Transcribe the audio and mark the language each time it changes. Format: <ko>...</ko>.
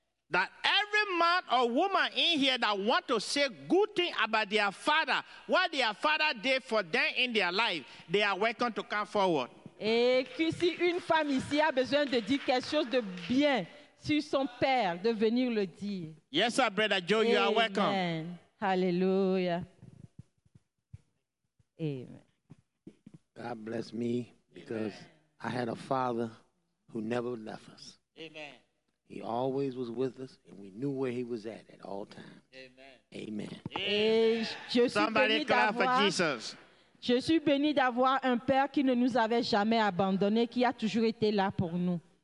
<en>That every man or woman in here that want to say good thing about their father, what their father did for them in their life, they are welcome to come forward.</en> <fr>Et que si une femme ici a besoin de dire quelque chose de bien sur son père, de venir le dire.</fr> <en>Yes, sir, brother Joe, Amen. You are welcome. Hallelujah. Amen. God bless me because Amen. I had a father who never left us. Amen. He always was with us and we knew where he was at all times. Amen. Amen. Somebody clap for Jesus.</en> <fr>Je suis béni d'avoir un père qui ne nous avait jamais abandonné, qui a toujours été là pour nous.</fr>